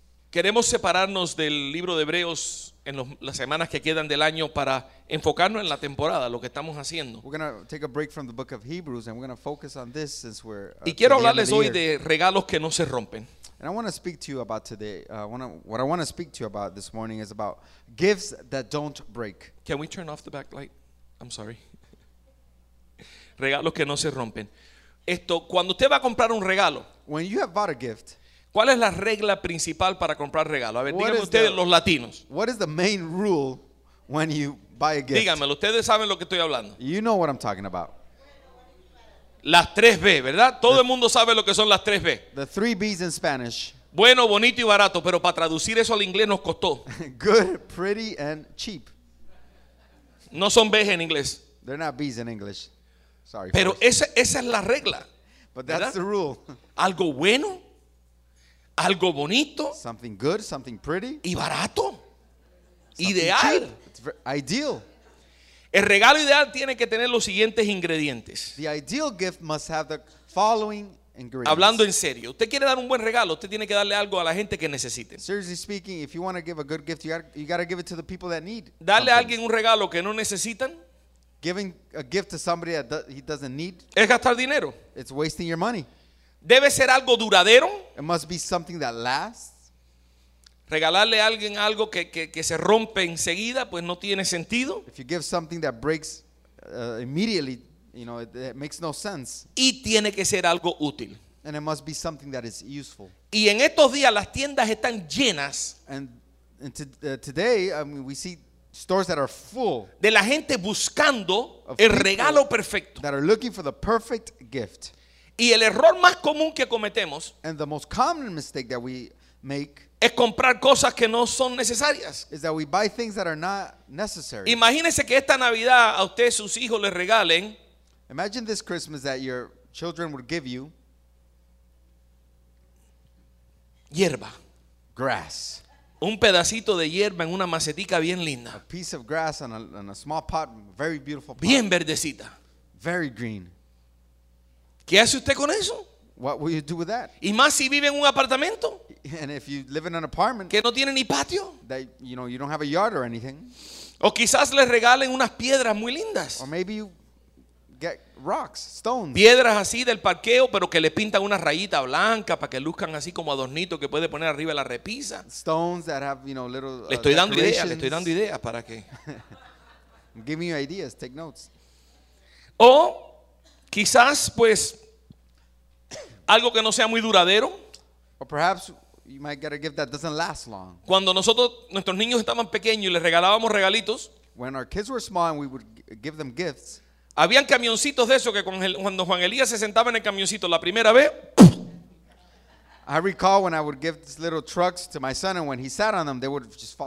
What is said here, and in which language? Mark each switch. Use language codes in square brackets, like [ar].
[es] Queremos separarnos del libro de Hebreos en las semanas que quedan del año para enfocarnos en la temporada, lo que estamos haciendo. [en] We're going to take a break from the book of Hebrews and we're going to focus on this since we're [es] y quiero hablarles hoy de regalos que no se rompen. [en] And I want to speak to you about today, what I want to speak to you about this morning is about gifts that don't break. Can we turn off the backlight? I'm sorry. [es] Regalos que no se rompen. Esto, cuando usted va a comprar un regalo, [en] when you have bought a gift, [es] ¿cuál es la regla principal para comprar regalo? A ver, díganme ustedes, los latinos. [en] What is the main rule when you buy a gift? [es] Díganmelo, ustedes saben lo que estoy hablando. [en] You know what I'm talking about. [es] Las tres B, ¿verdad? Todo el mundo sabe lo que son las tres B. [en] The three B's in Spanish. [es] Bueno, bonito y barato, pero para traducir eso al inglés nos costó. [en] Good, pretty, and cheap. [es] No son B's en inglés. [en] They're not B's in English. Sorry. [es] Pero esa es la regla. [en] But that's the rule. [es] Algo bueno, algo bonito. [en] Something good, something pretty. [es] Y barato. [en] Something ideal. It's ideal. [es] El regalo ideal tiene que tener los siguientes ingredientes. [en] The ideal gift must have the following ingredients. [es] Hablando en serio, usted quiere dar un buen regalo, usted tiene que darle algo a la gente que necesite. [en] Seriously speaking, if you want to give a good gift, you got to give it to the people that need. [es] Darle a alguien un regalo que no necesitan. [en] Giving a gift to somebody that he doesn't need. [es] Es gastar dinero. [en] It's wasting your money. [es] Debe ser algo duradero. [en] It must be something that lasts. [es] Regalarle a alguien algo que se rompe enseguida, pues no tiene sentido. [en] If you give something that breaks immediately, you know, it makes no sense. [es] Y tiene que ser algo útil. [en] And it must be something that is useful. [es] Y en estos días las tiendas están llenas. [en] And today, I mean, we see stores that are full. [es] De la gente buscando el regalo perfecto. [en] That are looking for the perfect gift. [es] Y el error más común que cometemos, [en] and the most common mistake that we make, [es] es comprar cosas que no son necesarias. [en] Is that we buy things that are not necessary. [es] Imagínese que esta Navidad a usted sus hijos le regalen. [en] Imagine this Christmas that your children would give you [es] hierba, [en] grass, [es] un pedacito de hierba en una macetica bien linda, [en] a piece of grass in a small pot, very beautiful pot, [es] bien verdecita, [en] very green. [es] ¿Qué hace usted con eso? [en] What will you do with that? [es] Y más si vive en un apartamento. [en] And if you live in an apartment. [es] Que no tiene ni patio. [en] That, you know, you don't have a yard or anything. [es] O quizás le regalen unas piedras muy lindas. [en] Or maybe you get rocks, stones. [es] Piedras así del parqueo, pero que le pintan una rayita blanca para que luzcan así como adornito que puede poner arriba de la repisa. [en] Stones that have, you know, little [es] le estoy dando ideas, le estoy dando ideas para que. [en] I'm giving you ideas, take notes. [es] O quizás, pues, algo que no sea muy duradero. [en] Or perhaps you might get a gift that doesn't last long. [es] Cuando nosotros, nuestros niños estaban pequeños y les regalábamos regalitos. [en] When our kids were small and we would give them gifts. [es] Habían camioncitos de eso que cuando Juan Elías se sentaba en el camioncito la primera vez. [en] I recall when I would give these little trucks to my son and when he sat on them, they would just fall.